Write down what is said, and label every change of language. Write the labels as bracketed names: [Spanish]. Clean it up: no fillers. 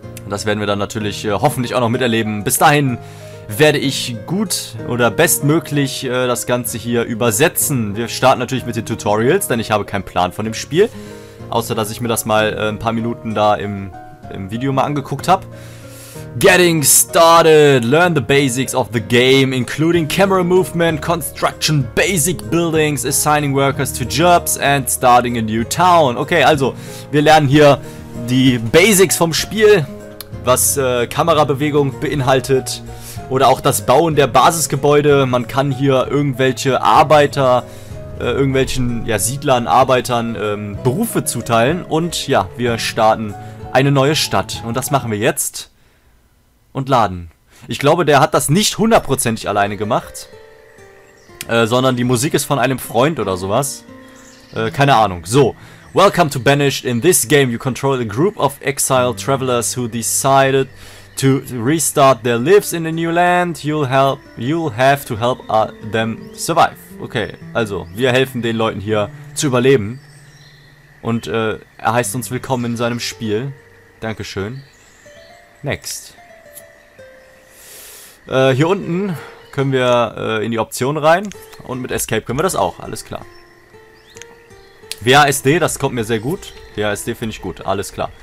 [German] Das werden wir dann natürlich hoffentlich auch noch miterleben. Bis dahin werde ich gut oder bestmöglich das Ganze hier übersetzen. Wir starten natürlich mit den Tutorials, denn ich habe keinen Plan von dem Spiel. Außer, dass ich mir das mal ein paar Minuten da im Video mal angeguckt habe. [English] Getting started. Learn the basics of the game, including camera movement, construction, basic buildings, assigning workers to jobs and starting a new town. [German] Okay, also, wir lernen hier die Basics vom Spiel, was Kamerabewegung beinhaltet oder auch das Bauen der Basisgebäude. Man kann hier irgendwelche Arbeiter, irgendwelchen, ja, Siedlern, Arbeitern Berufe zuteilen, und ja, wir starten eine neue Stadt und das machen wir jetzt und laden. Ich glaube, der hat das nicht hundertprozentig alleine gemacht, sondern die Musik ist von einem Freund oder sowas. Keine Ahnung. So. [English] Welcome to Banished. In this game you control a group of exiled travelers who decided to restart their lives in a new land. You'll have to help them survive. [German] Okay, also wir helfen den Leuten hier zu überleben. Und er heißt uns willkommen in seinem Spiel. Dankeschön. Next. Hier unten können wir in die Option rein. Und mit Escape können wir das auch. Alles klar. WASD, das kommt mir sehr gut. WASD finde ich gut. Alles klar.